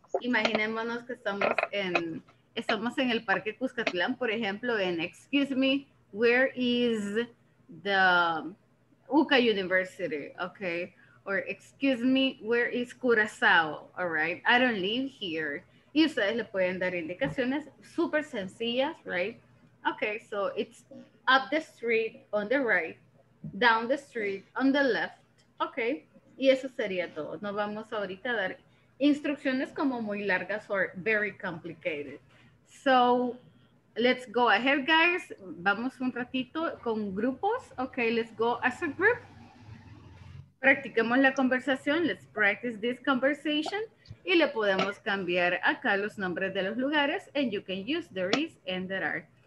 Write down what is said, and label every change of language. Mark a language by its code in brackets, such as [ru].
[es] imaginémonos que estamos en el Parque Cuscatlán, por ejemplo, en [en] excuse me, where is the UCA University, okay? Or excuse me, where is Curaçao, all right? I don't live here. [es] Y ustedes le pueden dar indicaciones súper sencillas, right? [en] Okay, so it's up the street on the right, down the street on the left, okay? [es] Y eso sería todo. No vamos ahorita a dar instrucciones como muy largas [en] or very complicated. So let's go ahead, guys. [es] Vamos un ratito con grupos. [en] Okay, let's go as a group. [es] Practiquemos la conversación. [en] Let's practice this conversation. [es] Y le podemos cambiar acá los nombres de los lugares. [en] And you can use there is and there are.